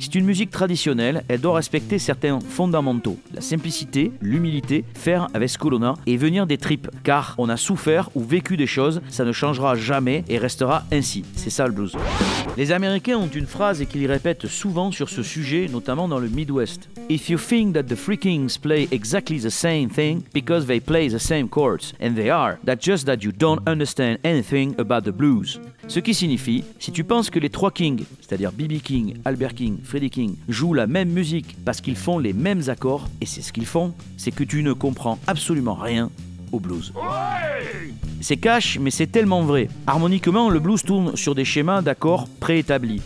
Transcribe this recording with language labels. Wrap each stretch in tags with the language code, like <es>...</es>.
<fr>C'est une musique traditionnelle, elle doit respecter certains fondamentaux. La simplicité, l'humilité, faire avec ce que l'on a et venir des tripes. Car on a souffert ou vécu des choses, ça ne changera jamais et restera ainsi. C'est ça le blues. Les Américains ont une phrase qu'ils répètent souvent sur ce sujet, notamment dans le Midwest.</fr> <en>If you think that the three kings play exactly the same thing because they play the same chords, and they are, that's just that you don't understand anything about the blues.</en> <fr>Ce qui signifie, si tu penses que les trois kings, c'est-à-dire B.B. King, Albert King, Freddie King, jouent la même musique parce qu'ils font les mêmes accords, et c'est ce qu'ils font, c'est que tu ne comprends absolument rien au blues. C'est cash, mais c'est tellement vrai. Harmoniquement, le blues tourne sur des schémas d'accords préétablis.</fr>